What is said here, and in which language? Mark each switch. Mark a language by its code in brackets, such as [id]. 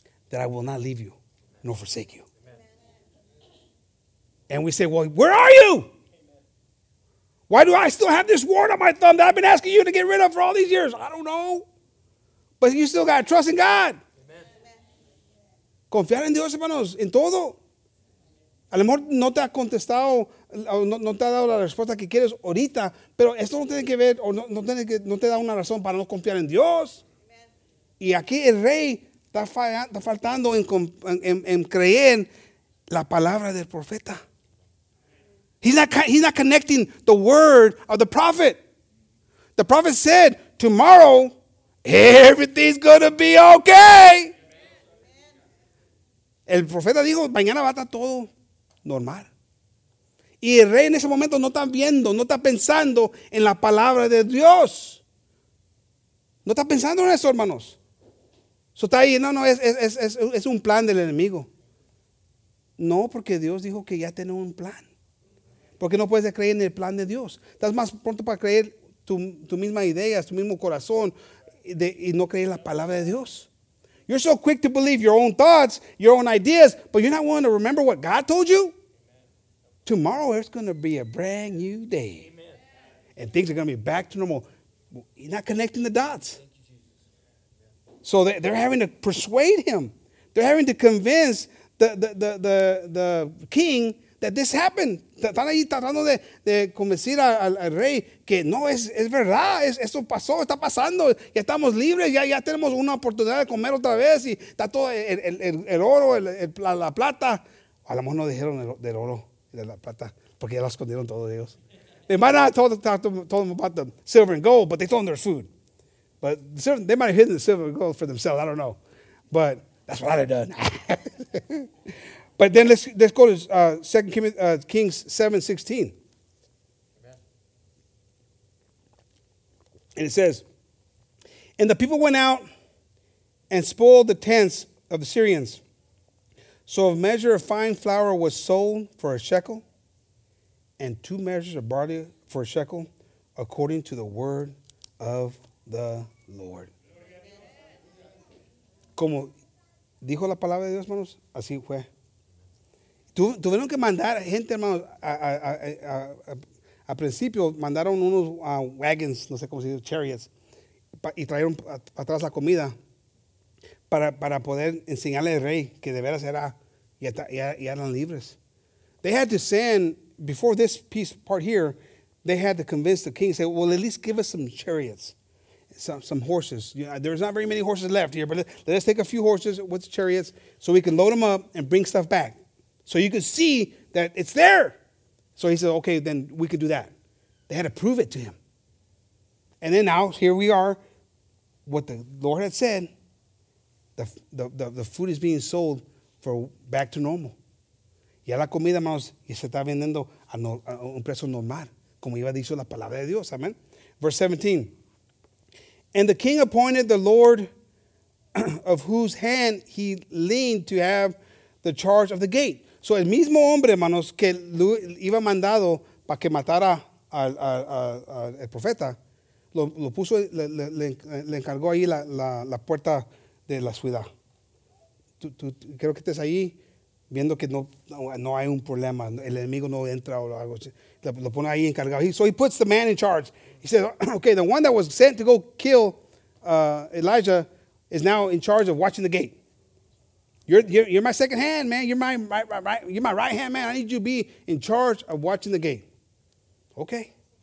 [en] That I will not leave you nor forsake you. Amen. And we say, well, where are you? Amen. Why do I still have this wart on my thumb that I've been asking you to get rid of for all these years? I don't know. But you still got to trust in God. [es] Amen. Confiar en Dios, hermanos, en todo. A lo mejor no te ha contestado, no te ha dado la respuesta que quieres ahorita, pero esto no tiene que ver, no te da una razón para no confiar en Dios. Amen. Y aquí el rey está faltando en creer la palabra del profeta. [en] He's not connecting the word of the prophet. The prophet said, tomorrow, everything's going to be okay. Amen. [es] El profeta dijo, mañana va a estar todo normal. Y el rey en ese momento no está viendo, no está pensando en la palabra de Dios. No está pensando en eso, hermanos. So está ahí, no, es un plan del enemigo. No, porque Dios dijo que ya tiene un plan. Porque no puedes creer en el plan de Dios. Estás más pronto para creer tu misma idea, tu mismo corazón y no creer la palabra de Dios. [en] You're so quick to believe your own thoughts, your own ideas, but you're not willing to remember what God told you? Amen. Tomorrow, it's going to be a brand new day. Amen. And things are going to be back to normal. You're not connecting the dots. Thank you, Jesus. Yeah. So they're having to persuade him. They're having to convince the king that this happened. [es] Están ahí tratando de convencer al rey que no, es verdad, eso pasó, está pasando, ya estamos libres, ya tenemos una oportunidad de comer otra vez y está todo el oro, la plata. A lo mejor no dijeron del oro y de la plata porque ya lo escondieron todos ellos. [en] They might not told them about the silver and gold, but they told them their food. But they might have hidden the silver and gold for themselves, I don't know. But that's what I'd have done. But then let's go to 2 Kings 7:16. And it says, "And the people went out and spoiled the tents of the Syrians. So a measure of fine flour was sold for a shekel, and two measures of barley for a shekel, according to the word of the Lord." [es] Como dijo la palabra de Dios, hermanos, así fue. Tuvieron que mandar gente, hermanos, a principio mandaron unos wagons, no sé cómo se dice, chariots, y trajeron atrás la comida para poder enseñarle al rey que de veras era, ya eran libres. [en] They had to send, before this piece part here, they had to convince the king, say, well, at least give us some chariots, some horses. You know, there's not very many horses left here, but let us take a few horses with the chariots so we can load them up and bring stuff back. So you can see that it's there. So he said, okay, then we could do that. They had to prove it to him. And then now, here we are. what the Lord had said, the food is being sold for back to normal. [es] Ya la comida, hermanos, ya se está vendiendo a un precio normal, como iba dicho la palabra de Dios. [en] Amen. Verse 17. And the king appointed the Lord of whose hand he leaned to have the charge of the gate. [es] So el mismo hombre, hermanos, que iba mandado para que matara al profeta, lo puso, le encargó ahí la puerta de la ciudad. Tú creo que estés ahí viendo que no hay un problema, el enemigo no entra o algo. Lo pone ahí encargado. [en] So he puts the man in charge. He says, okay, the one that was sent to go kill Elijah is now in charge of watching the gate. You're my second hand, man. You're my right hand man. I need you to be in charge of watching the gate. Okay.